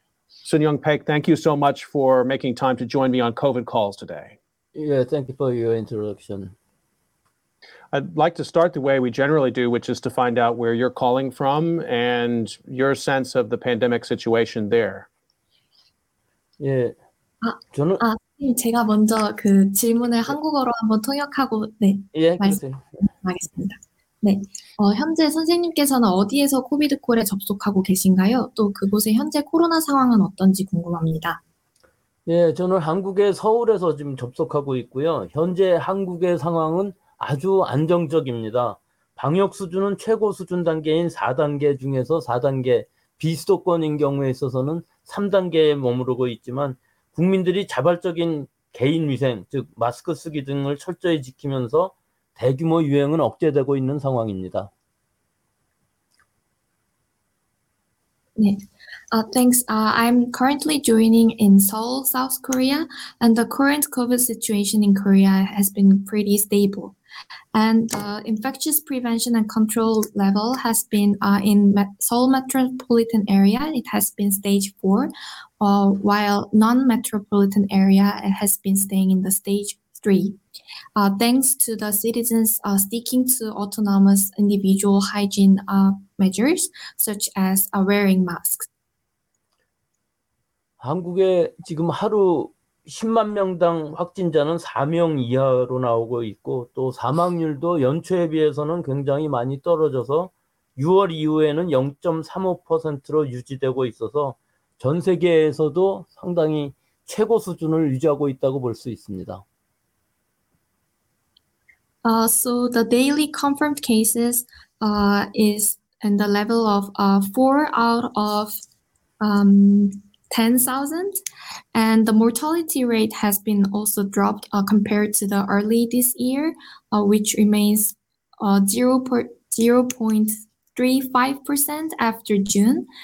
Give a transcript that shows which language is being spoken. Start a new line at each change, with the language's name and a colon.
English: Sunyoung Paek, thank you so much for making time to join me on COVID calls today. Yeah, thank you for your introduction. I'd like to start the way we generally do, which is to find out where you're calling from and your sense of the pandemic situation there. Yeah.
Korean: 제가 먼저 그 질문을 한국어로 한번 통역하고 네 예, 말씀하겠습니다. 네, 현재 선생님께서는 어디에서 코비드 콜에 접속하고 계신가요? 또 그곳의 현재 코로나 상황은 어떤지 궁금합니다. 예, 저는 한국의 서울에서 지금 접속하고 있고요. 현재 한국의 상황은 아주 안정적입니다. 방역 수준은 최고 수준 단계인 4단계 중에서 4단계, 비수도권인 경우에 있어서는 3단계에 머무르고 있지만, 국민들이 자발적인 개인위생, 즉, 마스크 쓰기 등을 철저히 지키면서 대규모 유행은 억제되고 있는 상황입니다.
English: 네. Thanks. I'm currently joining in Seoul, South Korea, and the current COVID situation in Korea has been pretty stable. And the infectious prevention and control level has been in Seoul metropolitan area, it has been stage four, while non-metropolitan area it has been staying in the stage three. Thanks to the citizens sticking to autonomous individual hygiene measures, such as wearing masks.
Korean: 한국에 지금 하루 10만 명당 확진자는 4명 이하로 나오고 있고, 또 사망률도 연초에 비해서는 굉장히 많이 떨어져서 6월 이후에는 0.35%로 유지되고 있어서 전 세계에서도 상당히 최고 수준을 유지하고 있다고 볼수 있습니다.
English: So the daily confirmed cases is in the level of 4 out of 10,000, and the mortality rate has been also dropped compared to the early this year, which remains 0.35% after June.